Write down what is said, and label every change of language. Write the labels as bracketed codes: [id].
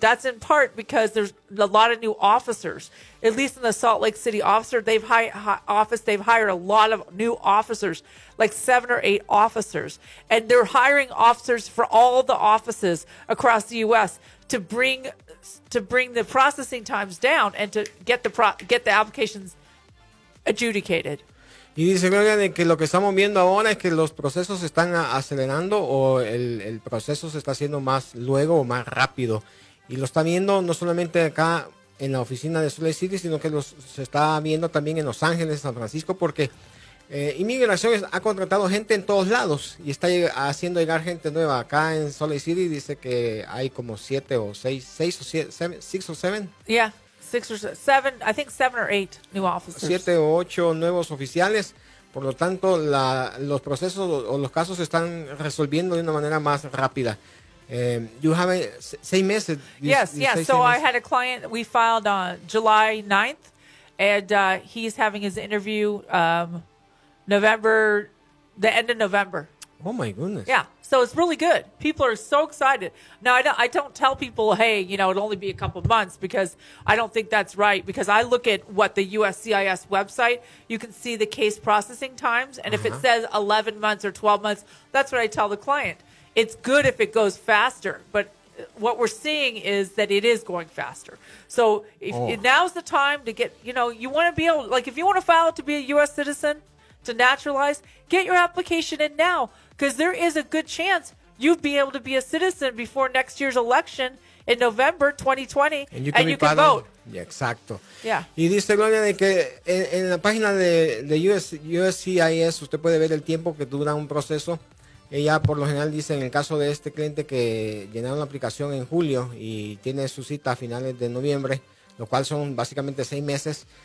[en] That's in part because there's a lot of new officers, at least in the Salt Lake City office, they've hired a lot of new officers, like 7 or 8 officers. And they're hiring officers for all the offices across the U.S. to bring the processing times down and to get the applications adjudicated. [es] Y dice Gloria que lo que estamos viendo ahora es que los procesos están acelerando o el proceso se está haciendo más luego o más rápido. Y lo está viendo no solamente acá en la oficina de Salt Lake City, sino que se está viendo también en Los Ángeles, San Francisco, porque Inmigración ha contratado gente en todos lados y está haciendo llegar gente nueva. Acá en Salt Lake City dice que hay como 6 o 7. [en] Yeah. 6 or 7, I think 7 or 8 new officers. [es] 7 o 8 nuevos oficiales. Por lo tanto, los procesos o los casos se están resolviendo de una manera más rápida. [en] You have 6 meses. Yes. So I had a client, we filed on July 9th, and he's having his interview November, the end of November. Oh, my goodness. Yeah. So it's really good. People are so excited. Now, I don't tell people, hey, you know, it'll only be a couple of months, because I don't think that's right. Because I look at what the USCIS website, you can see the case processing times. And if it says 11 months or 12 months, that's what I tell the client. It's good if it goes faster. But what we're seeing is that it is going faster. So now's the time to get, you know, you want to be able, like if you want to file to be a U.S. citizen, to naturalize, get your application in now, because there is a good chance you'd be able to be a citizen before next year's election in November 2020, and you can vote. Yeah, exacto. Yeah. [es] Y dice Gloria de que en la página de USCIS usted puede ver el tiempo que dura un proceso. Ella por lo general dice en el caso de este cliente que llenaron la aplicación en julio y tiene su cita a finales de noviembre, lo cual son básicamente 6 meses.